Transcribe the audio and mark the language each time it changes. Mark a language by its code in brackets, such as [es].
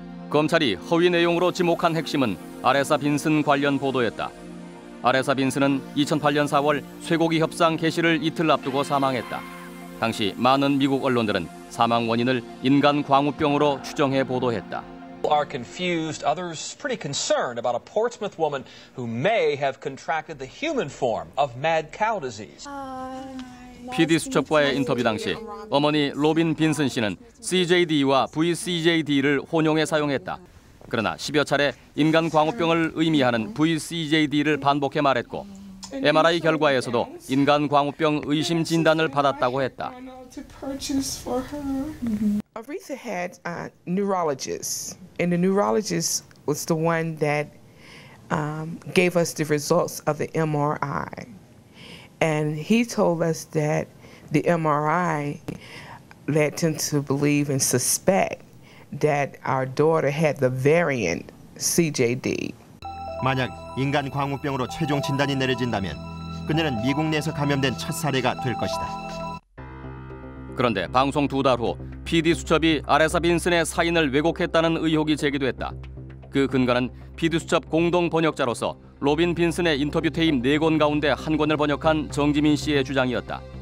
[ko] 검찰이 허위 내용으로 지목한 핵심은 아레사 빈슨 관련 보도였다. 아레사 빈슨은 2008년 4월 쇠고기 협상 개시를 이틀 앞두고 사망했다. 당시 많은 미국 언론들은 사망 원인을 인간 광우병으로 추정해 보도했다. [en] Are confused, others pretty concerned about a Portsmouth woman who may have contracted the human form of mad cow disease. [ko] PD 수첩과의 인터뷰 당시 어머니 로빈 빈슨 씨는 CJD와 VCJD를 혼용해 사용했다. 그러나 10여 차례 인간 광우병을 의미하는 VCJD를 반복해 말했고 MRI 결과에서도 인간 광우병 의심 진단을 받았다고 했다. [en] Aretha had a neurologist and the neurologist was the one that gave us the results of the MRI. And he told us that the MRI led him to believe and suspect that our daughter had the variant CJD. [ko] 만약 인간 광우병으로 최종 진단이 내려진다면 그녀는 미국 내에서 감염된 첫 사례가 될 것이다. 그런데 방송 두 달 후 PD 수첩이 아레사 빈슨의 사인을 왜곡했다는 의혹이 제기됐다. 그 근거는 PD 수첩 공동 번역자로서 로빈 빈슨의 인터뷰 테임 네 권 가운데 한 권을 번역한 정지민 씨의 주장이었다.